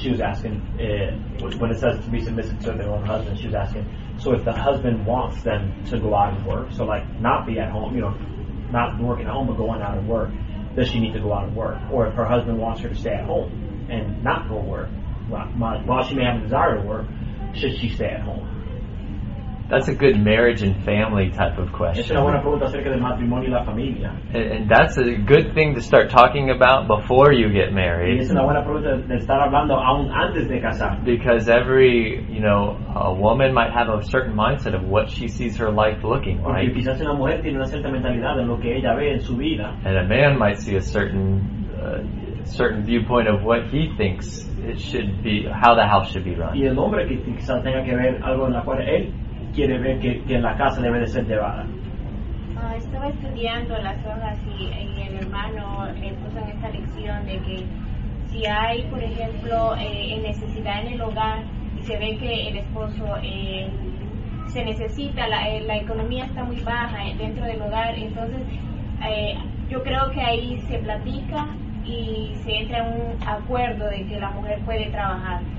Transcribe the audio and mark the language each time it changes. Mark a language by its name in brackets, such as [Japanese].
[English] She was asking, when it says to be submissive to their own husband, she was asking, so if the husband wants them to go out and work, so like not be at home, you know, not working at home, but going out and work, does she need to go out and work? Or if her husband wants her to stay at home and not go work, while she may have a desire to work, should she stay at home? That's a good marriage and family type of question. [Spanish] Es una buena pregunta acerca del matrimonio y la familia. [English] And that's a good thing to start talking about before you get married. [Spanish] Y es una buena pregunta de estar hablando aún antes de casar. [English] Because every, you know, a woman might have a certain mindset of what she sees her life looking like. [Spanish] Porque quizás una mujer tiene una cierta mentalidad de lo que ella ve en su vida. [English] And a man might see a certain certain viewpoint of what he thinks it should be, how the house should be run. [Spanish] Y el hombre que quizás tenga que ver algo en la cual él quiere ver que en la casa debe de ser llevada. Estaba estudiando las hojas y el hermano puso en esta lección de que si hay, por ejemplo, necesidad en el hogar y se ve que el esposo se necesita, la economía está muy baja dentro del hogar, entonces yo creo que ahí se platica y se entra en un acuerdo de que la mujer puede trabajar.